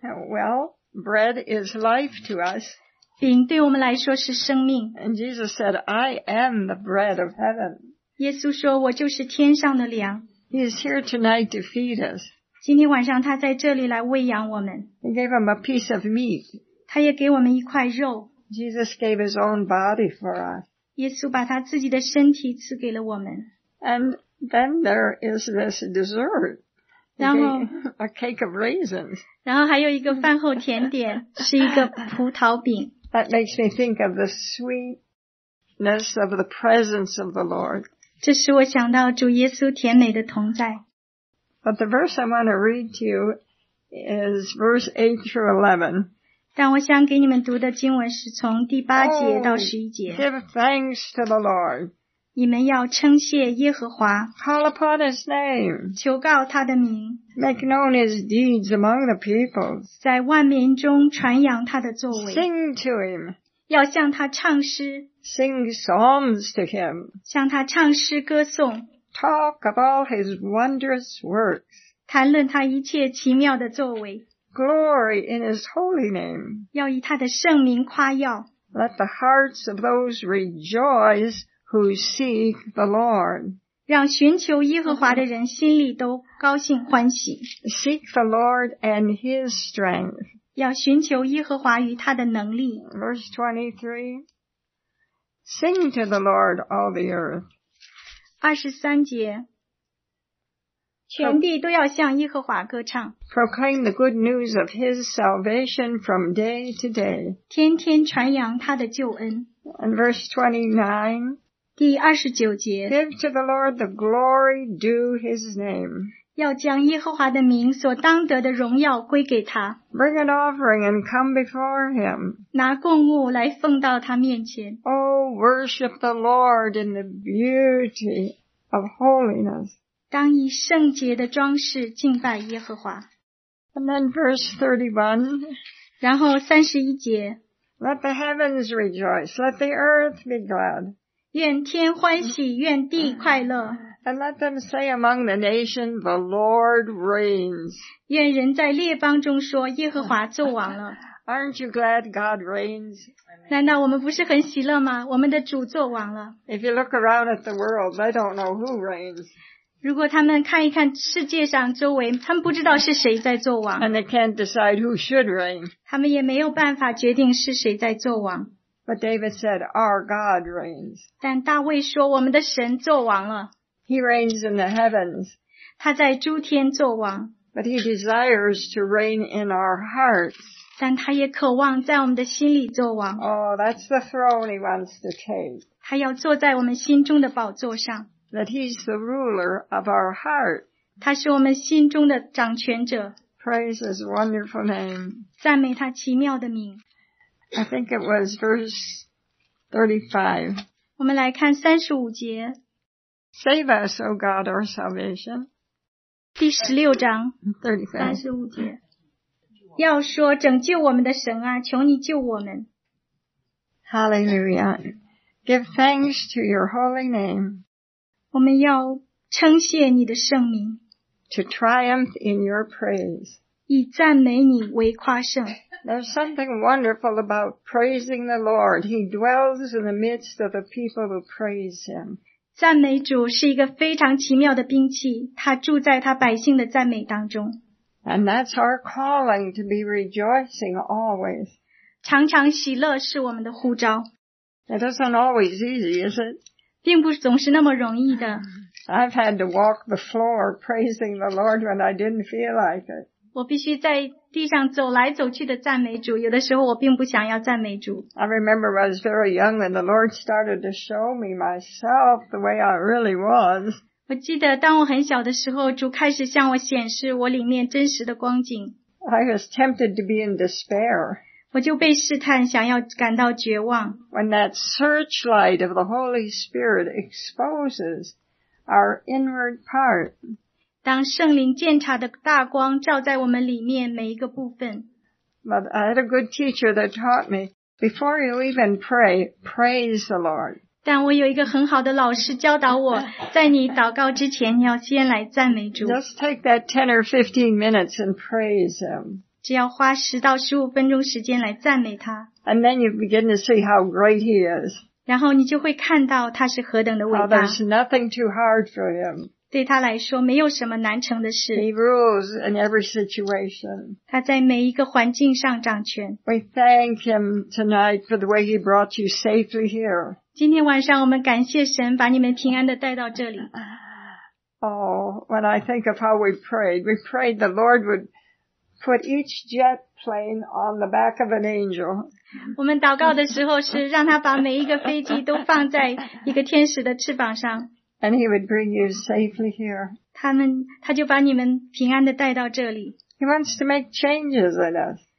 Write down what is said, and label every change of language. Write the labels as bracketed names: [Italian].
[English] Well, bread is life to us. [Chinese] 饼对我们来说是生命。 [English] And Jesus said, I am the bread of heaven. [Chinese] 耶稣说，我就是天上的粮。 [English] He is here tonight to feed us. [Chinese] 今天晚上他在这里来喂养我们。 [English] He gave him a piece of meat. [Chinese] 他也给我们一块肉。 [English] Jesus gave his own body for us. [Chinese] 耶稣把他自己的身体赐给了我们。 [English] And then there is this dessert. [Chinese] 然后 [English] a cake of raisins. [Chinese] 然后还有一个饭后甜点，是一个葡萄饼。 [English] That makes me think of the sweetness of the presence of the Lord. [Chinese] 这使我想到主耶稣甜美的同在。 [English] But the verse I want to read to you is verse 8 through 11. [Chinese] 但我想给你们读的经文是从第八节到十一节。 [English] Oh, give thanks to the Lord. [Chinese] 你们要称谢耶和华。 [English] Call upon his name. [Chinese] 求告他的名。 [English] Make known his deeds among the peoples. [Chinese] 在万民中传扬他的作为。 [English] Sing to him. [Chinese] 要向他唱诗。 [English] Sing psalms to him. [Chinese] 向他唱诗歌颂。 [English] Talk of all his wondrous works. [Chinese] 谈论他一切奇妙的作为。 [English] Glory in his holy name. [Chinese] 要以他的圣名夸耀。 [English] Let the hearts of those rejoice who seek the Lord. [Chinese] 让寻求耶和华的人心里都高兴欢喜。 [English] Seek the Lord and his strength. [Chinese] 要寻求耶和华与他的能力。 [English] Verse 23. Sing to the Lord all the earth. [Chinese] 23节，全地都要向耶和华歌唱。 [English] Proclaim the good news of his salvation from day to day. [Chinese] 天天传扬他的救恩。 [English] And verse 29. [Chinese] 第29节。 [English] Give to the Lord the glory due his name. [Chinese] 要将耶和华的名所当得的荣耀归给他。 [English] Bring an offering and come before him. [Chinese] 拿供物来奉到他面前。 [English] Worship the Lord in the beauty of holiness. [Chinese] 当以圣洁的装饰敬拜耶和华。 [English] And then verse 31. [Chinese] 然后31节。 [English] Let the heavens rejoice, let the earth be glad. [Chinese] 愿天欢喜，愿地快乐。 [English] And let them say among the nation, the Lord reigns. [Chinese] 愿人在列邦中说，耶和华作王了。 [English] Aren't you glad God reigns? [Chinese] 难道我们不是很喜乐吗？我们的主作王了。 [English] If you look around at the world, they don't know who reigns. [Chinese] 如果他们看一看世界上周围，他们不知道是谁在作王。 [English] And they can't decide who should reign. [Chinese] 他们也没有办法决定是谁在作王。 [English] But David said, "Our God reigns." [Chinese] 但大卫说，我们的神作王了。 [English] He reigns in the heavens. [Chinese] 他在诸天作王。 [English] But he desires to reign in our hearts. [Chinese] 但他也渴望在我们的心里作王。 [English] Oh, that's the throne he wants to take. [Chinese] 他要坐在我们心中的宝座上。 [English] That he's the ruler of our heart. [Chinese] 他是我们心中的掌权者。 [English] Praise his wonderful name. [Chinese] 赞美他奇妙的名。 [English] I think it was verse 35. [Chinese] 我们来看35节。 [English] Save us, O God, our salvation. [Chinese] 第16章。35节。要说拯救我们的神啊，求你救我们。 [English] Hallelujah. Give thanks to your holy name. [Chinese] 我们要称谢你的圣名。 [English] To triumph in your praise. [Chinese] 以赞美你为夸胜。 [English] There's something wonderful about praising the Lord. He dwells in the midst of the people who praise him. [Chinese] 赞美主是一个非常奇妙的兵器，他住在他百姓的赞美当中。 [English] And that's our calling to be rejoicing always. [Chinese] 常常喜乐是我们的呼召。 [English] It isn't always easy, is it? [Chinese] 并不总是那么容易的。 [English] I've had to walk the floor praising the Lord when I didn't feel like it. [Chinese] 我必须在地上走来走去的赞美主，有的时候我并不想要赞美主。 [English] I remember when I was very young and the Lord started to show me myself the way I really was. [Chinese] 我记得当我很小的时候，主开始向我显示我里面真实的光景。 [English] I was tempted to be in despair. [Chinese] 我就被试探，想要感到绝望。 [English] When that searchlight of the Holy Spirit exposes our inward part. [Chinese] 当圣灵鉴察的大光照在我们里面每一个部分。 [English] But I had a good teacher that taught me, before you even pray, praise the Lord. [Chinese] 但我有一个很好的老师教导我，在你祷告之前，你要先来赞美主。 [English] Just take that 10 or 15 minutes and praise him. [Chinese] 只要花10到15分钟时间来赞美他。 [English] And then you begin to see how great he is. [Chinese] 然后你就会看到他是何等的伟大。 [English] How there's nothing too hard for him. [Chinese] 对他来说没有什么难成的事。 [English] He rules in every situation. [Chinese] 他在每一个环境上掌权。 [English] We thank him tonight for the way he brought you safely here. [Chinese] 今天晚上我们感谢神把你们平安地带到这里。 [English] Oh, when I think of how we prayed the Lord would put each jet plane on the back of an angel. [Chinese] 我们祷告的时候是让他把每一个飞机都放在一个天使的翅膀上。 [English] And he would bring you safely here. [Chinese] 他就把你们平安地带到这里。 [English] He wants to make changes in us.